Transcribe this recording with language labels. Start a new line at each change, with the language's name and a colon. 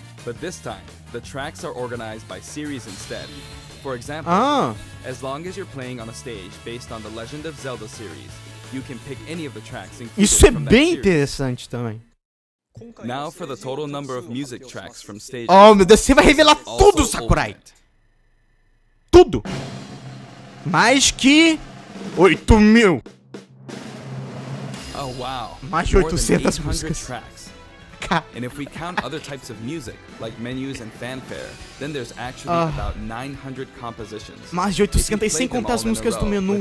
English: But this time, the tracks are organized by series instead. For example, as long as you're playing on a stage based on the Legend of Zelda series, you can pick any of the tracks included.
Portuguese: Isso é bem interessante também.
English: Now for the total number of music tracks from stage.
Portuguese: Oh, meu Deus, você vai revelar tudo, Sakurai. Tudo. Mais que 8.000.
English: Oh, wow.
Portuguese: Mais de 800 músicas.
English: And if we count other types of music, like menus and fanfare, then there's actually about 900 compositions.
Portuguese: Mais de 800, sem contar as músicas do menu.